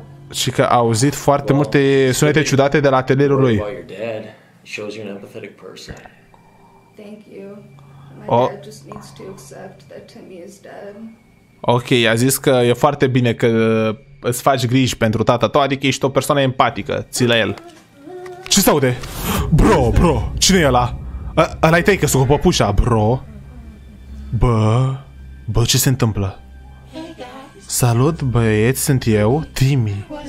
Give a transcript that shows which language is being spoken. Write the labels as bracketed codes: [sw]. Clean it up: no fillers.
[ro] Și că a auzit foarte multe sunete ciudate de la atelierul lui. [en] Shows you're an empathetic person. Thank you. My dad just needs to accept that Timmy is dead. [ro] Ok, a zis că e foarte bine că îți faci griji pentru tata tău, adică ești o persoană empatică, ții la el. Ce se aude? Bro, bro, cine e ăla? Ăla-i tăi, că sunt cu păpușa, bro. Bă, bă, ce se întâmplă? Salut, băieți, sunt eu, Timmy.